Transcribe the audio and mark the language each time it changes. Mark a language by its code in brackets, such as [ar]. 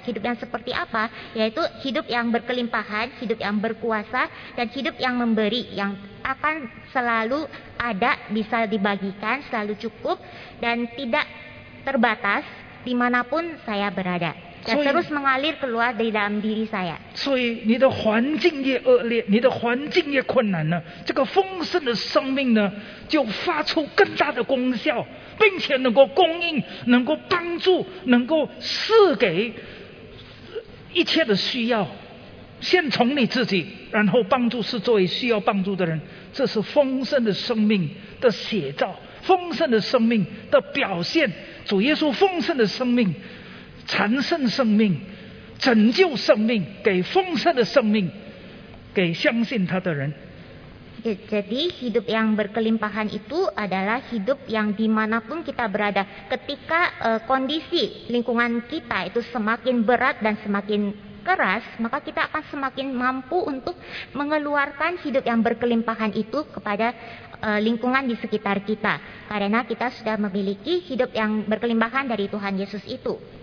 [id] Hidup yang seperti apa? Yaitu hidup yang berkelimpahan, hidup yang berkuasa dan hidup yang memberi, yang akan selalu ada, bisa dibagikan, selalu cukup dan tidak terbatas dimanapun saya berada. Dan terus mengalir keluar dari dalam diri saya. [zh] 所以你的环境越恶劣，你的环境越困难呢，这个丰盛的生命呢就发出更大的功效，并且能够供应，能够帮助，能够赐给一切的需要。先从你自己，然后帮助是作为需要帮助的人，这是丰盛的生命的写照，丰盛的生命的表现。主耶稣丰盛的生命，产生生命，拯救生命，给丰盛的生命，给相信他的人。 [id] Jadi hidup yang berkelimpahan itu adalah hidup yang dimanapun kita berada, ketika kondisi lingkungan kita itu semakin berat dan semakin keras, maka kita akan semakin mampu untuk mengeluarkan hidup yang berkelimpahan itu kepada lingkungan di sekitar kita, karena kita sudah memiliki hidup yang berkelimpahan dari Tuhan Yesus itu.